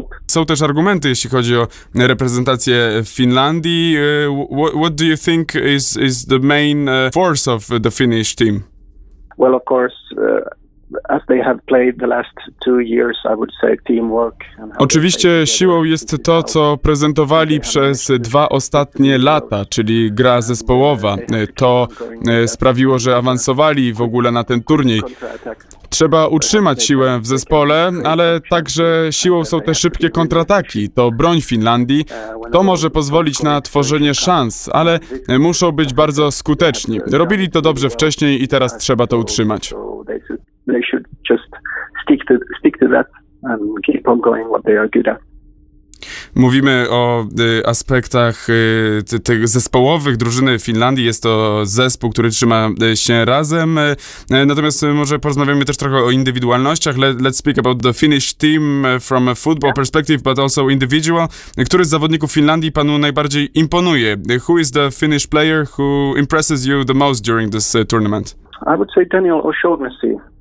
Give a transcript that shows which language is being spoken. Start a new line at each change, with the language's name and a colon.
Polish: Są też argumenty, jeśli chodzi o reprezentację Finlandii.
English: What do you think is the main force of the Finnish team? Well, of course, as they have played the last 2 years, I would say teamwork.
Polish: Oczywiście siłą jest to, co prezentowali przez 2 ostatnie lata, czyli gra zespołowa. To sprawiło, że awansowali w ogóle na ten turniej. Trzeba utrzymać siłę w zespole, ale także siłą są te szybkie kontrataki. To broń Finlandii. To może pozwolić na tworzenie szans, ale muszą być bardzo skuteczni. Robili to dobrze wcześniej i teraz trzeba to utrzymać.
English: They should just stick to that and keep on going what they are good at.
Polish: Mówimy o aspektach tych zespołowych drużyny Finlandii. Jest to zespół, który trzyma się razem. Natomiast może porozmawiamy też trochę o indywidualnościach.
English: Let's speak about the Finnish team from a football perspective, but also individual.
Polish: Który z zawodników Finlandii panu najbardziej imponuje?
English: Who is the Finnish player who impresses you the most during this tournament? I would say Daniel O'Shaughnessy.